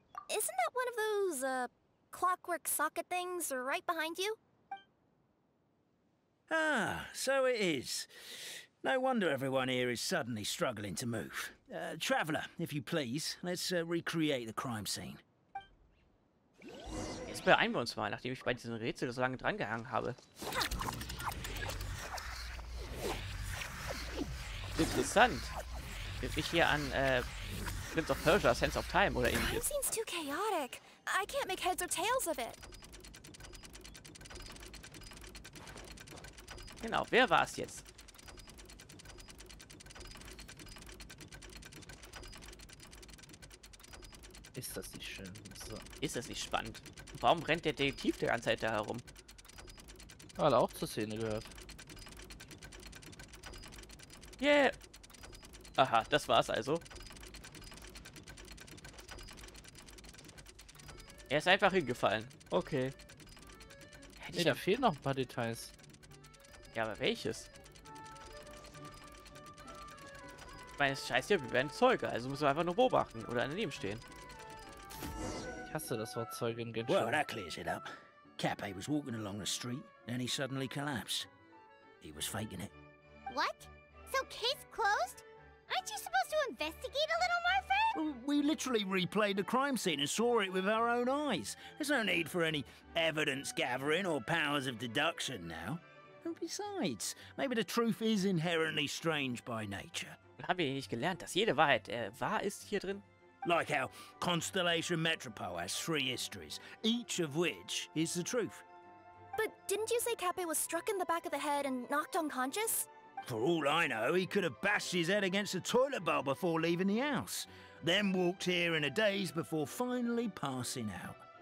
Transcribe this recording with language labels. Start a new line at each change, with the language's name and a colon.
English: Isn't that one of those, clockwork socket things right behind you? Ah, so it is. No wonder everyone here is suddenly struggling to move. Traveler, if you please, let's recreate the crime scene.
German: Jetzt beeilen wir uns mal, nachdem ich bei diesem Rätsel so lange drangehangen habe. Interessant. Jetzt ich hier an Prince of Persia, Sense of Time oder irgendwie.
English: Crime seems too chaotic. I can't make heads or tails of it.
German: Genau, wer war es jetzt? Ist das nicht schön? So. Ist das nicht spannend? Warum rennt der Detektiv die ganze Zeit da herum? Weil er auch zur Szene gehört.
English: Yeah!
German: Aha, das war's also. Er ist einfach hingefallen. Okay. Hätte da fehlen noch ein paar Details. Ja, aber welches? Ich meine, es scheißt ja, wir werden Zeuge, also müssen wir einfach nur beobachten oder daneben stehen. Ich hasse das Wort Zeuge in Genshin.
English: Well, that clears it up. Cape was walking along the street, then he suddenly collapsed. He was faking it. What? So case closed? Aren't you supposed to investigate a little more, Fred? Well, we literally replayed the crime scene and saw it with our own eyes. There's no need for any evidence gathering or powers of deduction now. Besides, maybe the truth is inherently strange by nature.
German: Haben wir nicht gelernt, dass jede Wahrheit wahr ist hier drin?
English: Like how Constellation Metropole has three histories, each of which is the truth. But didn't you say Cape was struck in the back of the head and knocked unconscious? For all I know, he could have bashed his head against a toilet bowl before leaving the house, then walked here in a daze before finally passing out.